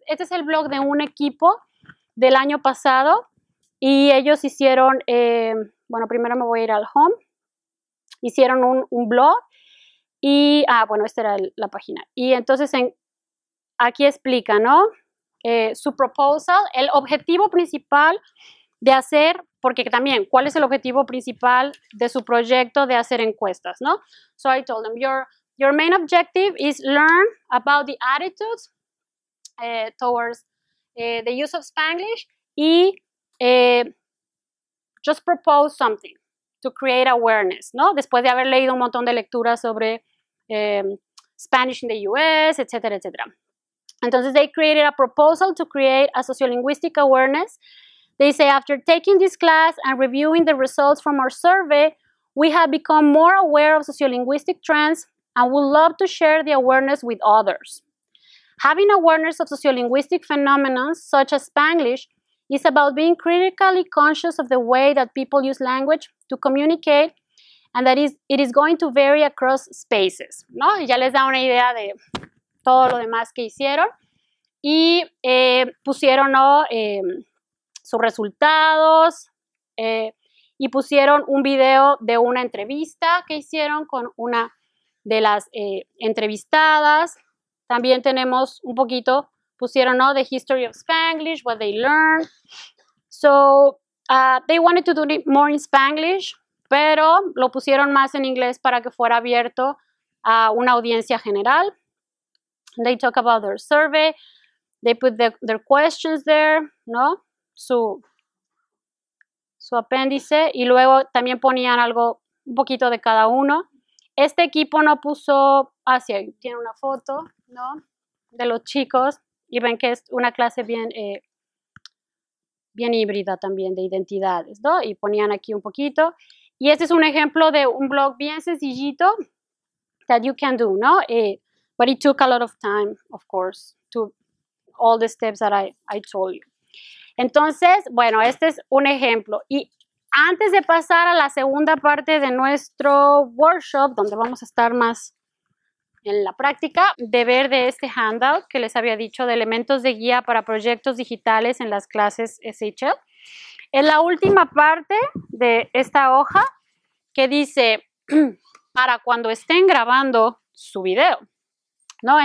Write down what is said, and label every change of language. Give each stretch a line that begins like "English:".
Spanish: Este es el blog de un equipo del año pasado y ellos hicieron, bueno, primero me voy a ir al home, hicieron un blog y, bueno, esta era la página. Y entonces aquí explica, ¿no? Su proposal, el objetivo principal de hacer, porque también, ¿cuál es el objetivo principal de su proyecto de hacer encuestas, ¿no?
English: So I told them, your main objective is learn about the attitudes towards the use of Spanglish y just propose something to create awareness, ¿no?
Spanish: Después de haber leído un montón de lecturas sobre Spanish in the US, etcétera, etcétera.
English: Entonces, they created a proposal to create a sociolinguistic awareness. They say, after taking this class and reviewing the results from our survey, we have become more aware of sociolinguistic trends and would love to share the awareness with others. Having awareness of sociolinguistic phenomena such as Spanglish is about being critically conscious of the way that people use language to communicate and that it is going to vary across spaces.
Spanish: ¿No? Y ya les da una idea de todo lo demás que hicieron. Y pusieron, ¿no? Sus resultados y pusieron un video de una entrevista que hicieron con una de las entrevistadas. También tenemos un poquito, pusieron, ¿no?
English: The history of Spanglish, what they learned. So, they wanted to do it more in Spanglish, pero lo pusieron más en inglés para que fuera abierto a una audiencia general. They talk about their survey. They put their questions there, ¿no?
Spanish: Su apéndice y luego también ponían algo, un poquito de cada uno. Este equipo no puso, sí, tiene una foto, ¿no? De los chicos y ven que es una clase bien, bien híbrida también de identidades, ¿no? Y ponían aquí un poquito. Y este es un ejemplo de un blog bien sencillito that you can do, ¿no?
English: But it took a lot of time, of course, to all the steps that I told you.
Spanish: Entonces, bueno, este es un ejemplo. Y antes de pasar a la segunda parte de nuestro workshop, donde vamos a estar más en la práctica, de ver de este handout que les había dicho de elementos de guía para proyectos digitales en las clases SHL, es la última parte de esta hoja que dice para cuando estén grabando su video, ¿no?